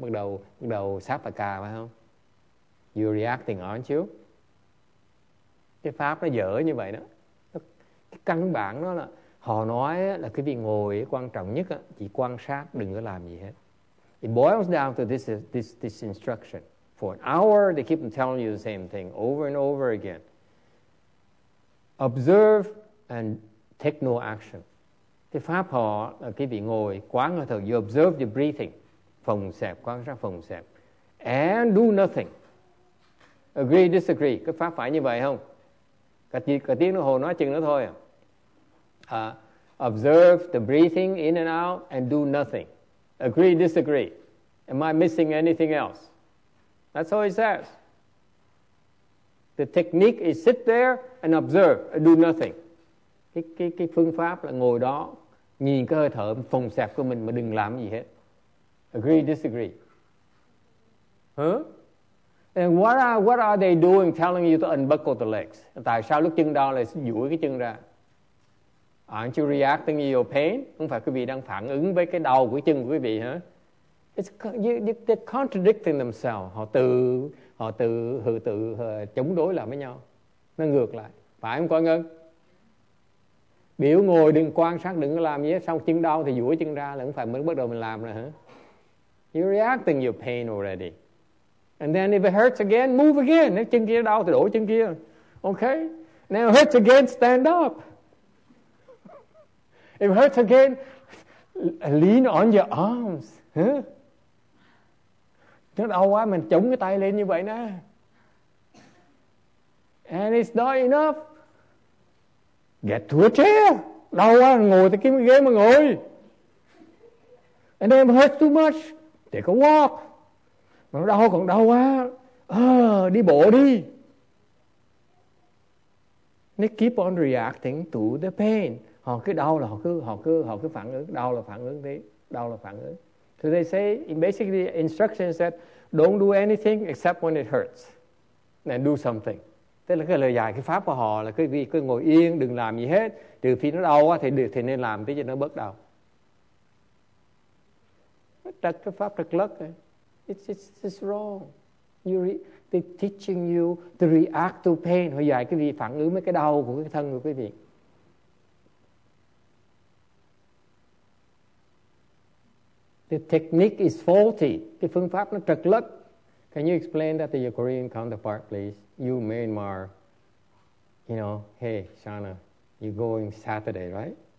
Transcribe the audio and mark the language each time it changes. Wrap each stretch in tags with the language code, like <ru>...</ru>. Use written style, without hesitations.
<vi>Bắt đầu sát và cà phải không?</vi> <en>You're reacting, aren't you?</en> <vi>Cái pháp nó dở như vậy đó. Cái căn bản đó là họ nói là quý vị ngồi quan trọng nhất chỉ quan sát, đừng có làm gì hết.</vi> <en>It boils down to this instruction. For an hour, they keep telling you the same thing over and over again. Observe and take no action.</en> <vi>Cái pháp họ là quý vị ngồi quán hơi thở,</vi> <en>you observe your breathing,</en> <vi>phòng xẹp, quan sát phòng xẹp,</vi> <en>and do nothing. Agree, disagree.</en> <vi>Cái pháp phải như vậy không? Cả tiếng đồng hồ nói chừng đó thôi.</vi> <en>Observe the breathing in and out and do nothing. Agree, disagree. Am I missing anything else? That's all he says. The technique is sit there and observe and do nothing.</en> <vi>Cái phương pháp là ngồi đó, nhìn cái hơi thở phồng xẹp của mình mà đừng làm gì hết.</vi> <en>Agree, disagree. Huh? And what are they doing telling you to unbuckle the legs?</en> <vi>Tại sao lúc chân đau lại duỗi cái chân ra?</vi> <en>Aren't you reacting to your pain?</en> <vi>Không phải quý vị đang phản ứng với cái đau của chân của quý vị hả?</vi> <en>They're contradicting themselves.</en> <vi>Họ chống đối lại với nhau. Nó ngược lại. Phải không, Quang Ngân? Biểu ngồi đừng quan sát, đừng có làm gì hết. Xong chân đau thì duỗi chân ra là không phải mới bắt đầu mình làm rồi hả?</vi> <en>You're reacting your pain already. And then if it hurts again, move again.</en> <vi>Nếu chân kia đau thì đổi chân kia.</vi> <en>Okay? Now it hurts again, stand up. If it hurts again, lean on your arms. Huh?</en> <vi>Nó đau quá, mình chống cái tay lên như vậy nè.</vi> <en>And it's not enough. Get to a chair.</en> <vi>Đau quá, ngồi thì kiếm cái ghế mà ngồi.</vi> <en>And then it hurts too much. Take a walk.</en> <vi>Mà nó đau còn đau quá. Đi bộ đi.</vi> <en>They keep on reacting to the pain.</en> <vi>Họ cứ đau là họ cứ phản ứng. Đau là phản ứng thế. Đau là phản ứng.</vi> <en>So they say, in basically instructions that don't do anything except when it hurts. Then do something.</en> <vi>Tức là cái lời dạy, cái pháp của họ là cứ ngồi yên, đừng làm gì hết. Trừ khi nó đau quá thì nên làm tí cho nó bớt đau. Trật cái pháp trật lất.</vi> <en>It's wrong. They're teaching you to react to pain.</en> <vi>Họ dạy cái gì phản ứng với cái đau của cái thân của quý vị.</vi> <en>The technique is faulty.</en> <vi>Cái phương pháp nó trật lất.</vi> <en>Can you explain that to your Korean counterpart, please? You Myanmar, you know, hey, Shana, you're going Saturday, right?</en>